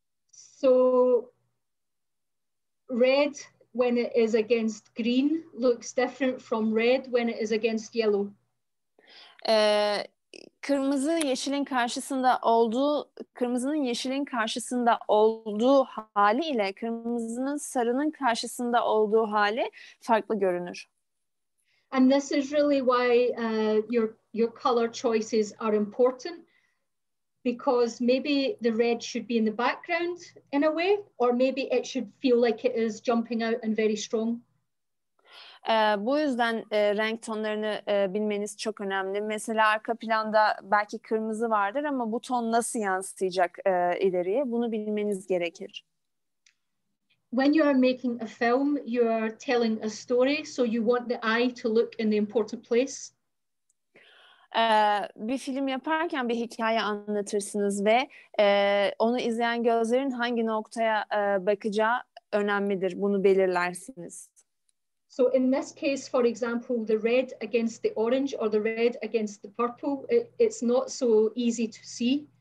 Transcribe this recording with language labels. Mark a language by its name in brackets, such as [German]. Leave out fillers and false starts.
[English] So red when it is against green looks different from red when it is against yellow. [Turkish] Kırmızı yeşilin karşısında olduğu, kırmızının yeşilin karşısında olduğu hali ile kırmızının sarının karşısında olduğu hali farklı görünür. [English] And this is really why your color choices are important. Because maybe the red should be in the background in a way, or maybe it should feel like it is jumping out and very strong. [Turkish] Bu yüzden renk tonlarını bilmeniz çok önemli. Mesela arka planda belki kırmızı vardır ama bu ton nasıl yansıyacak ileriye? Bunu bilmeniz gerekir. [English] When you are making a film, you are telling a story, so you want the eye to look in the important place. [Turkish] Bir film yaparken bir hikaye anlatırsınız ve onu izleyen gözlerin hangi noktaya bakacağı önemlidir. Bunu belirlersiniz. [English] So in this case, for example, the red against the orange or the red against the purple, it's not so easy to see.